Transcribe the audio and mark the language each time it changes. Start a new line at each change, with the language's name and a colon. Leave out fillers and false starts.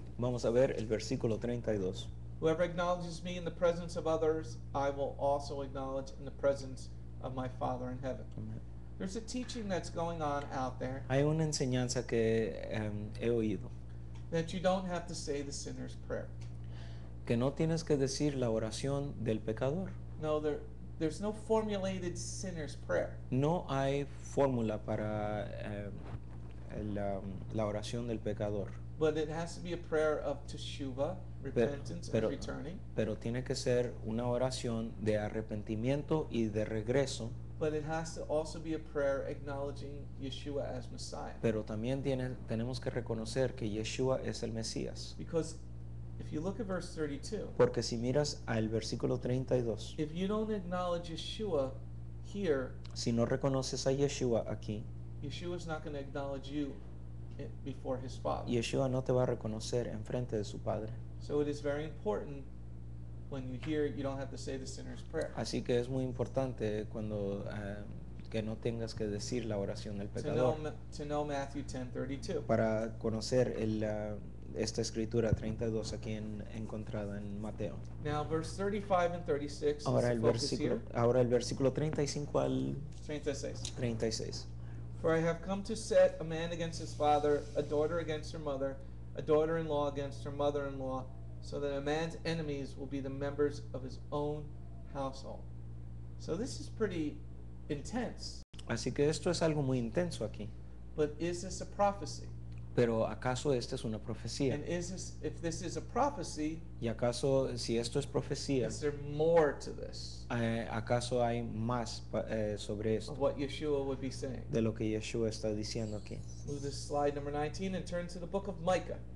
Spanish: Vamos a ver el versículo 32.
English: Whoever acknowledges me in the presence of others, I will also acknowledge in the presence of my Father in heaven. Amen. There's a teaching that's going on out there.
Spanish: Hay una enseñanza que he oído.
English: That you don't have to say the sinner's prayer.
Spanish: Que no tienes que decir la oración del pecador.
English: No, there's no formulated sinner's prayer.
Spanish: No hay fórmula para la oración del pecador.
English: But it has to be a prayer of teshuva, repentance,
Spanish: pero,
English: and returning.
Spanish: Pero tiene que ser una oración de arrepentimiento y de regreso.
English: But it has to also be a prayer acknowledging Yeshua as Messiah.
Spanish: Pero también tenemos que reconocer que Yeshua es el Mesías.
English: Because if you look at verse 32.
Spanish: Porque si miras al versículo 32.
English: If you don't acknowledge Yeshua here.
Spanish: Si no reconoces a Yeshua aquí.
English: Yeshua is not going to acknowledge you before his father.
Spanish: Yeshua no te va a reconocer en frente de su padre.
English: So it is very important. When you hear, you don't have to say the sinner's prayer.
Spanish: Así que es muy importante cuando que no tengas que decir la oración del pecador.
English: To know Matthew 10:32.
Spanish: Para conocer esta escritura 32 aquí encontrada en Mateo.
English: Now verse 35 and 36.
Spanish: Ahora el versículo. Ahora el versículo 35 al
English: 36. For I have come to set a man against his father, a daughter against her mother, a daughter-in-law against her mother-in-law. So that a man's enemies will be the members of his own household. So this is pretty intense.
Spanish: Así que esto es algo muy intenso aquí.
English: But is this a prophecy?
Spanish: Pero acaso esta es una profecía?
English: And is this, if this is a prophecy?
Spanish: Y acaso si esto es profecía?
English: Is there more to this?
Spanish: Acaso hay más sobre esto?
English: Of what Yeshua would be saying.
Spanish: De lo que Yeshua está diciendo aquí.
English: Move this slide number 19 and turn to the book of Micah.